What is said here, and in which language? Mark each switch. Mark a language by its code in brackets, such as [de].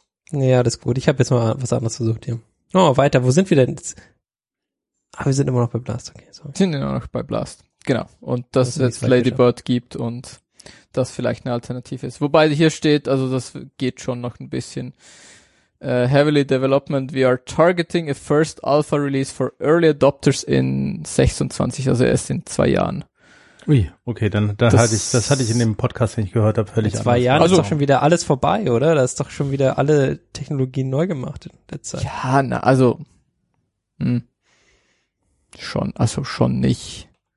[de] Ja, das ist gut. Ich habe jetzt mal was anderes versucht hier. Oh, weiter, wo sind wir denn jetzt? Ah, wir sind immer noch bei Blast, okay. Sorry. Sind immer noch bei Blast, genau. Und dass es jetzt Lady Bird gibt und das vielleicht eine Alternative ist. Wobei hier steht, also das geht schon noch ein bisschen. [en] Heavily development, we are targeting a first alpha release for early adopters in 26, [de] also erst in 2 Jahren. Ui, okay, dann das hatte ich in dem Podcast, den ich gehört habe, völlig anders. In 2 Jahren ist doch schon wieder alles vorbei, oder? Da ist doch schon wieder alle Technologien neu gemacht in der Zeit. Ja, na, also schon nicht.